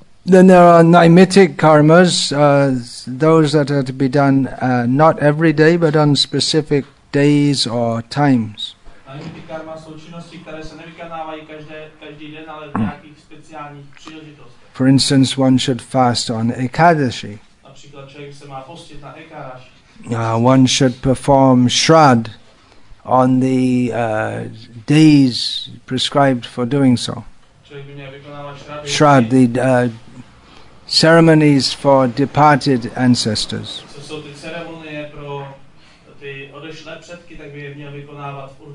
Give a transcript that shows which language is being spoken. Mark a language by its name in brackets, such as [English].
[English] Then there are naimittik karmas, those that are to be done not every day, but on specific days or times. [Czech] Naimittik karma jsou činnosti, které se nevykonávají každý den, ale v nějakých speciálních příležitostech. [English] For instance, one should fast on Ekadashi. [Czech] Například člověk se má postit na Ekadashi. [English] One should perform shrad on the days prescribed for doing so. [Czech] Člověk by měl vykonávat shrad. [English] Shrad, the ceremonies for departed ancestors. [Czech] Co jsou ty ceremonie pro ty odešlé předky, tak by je měl vykonávat.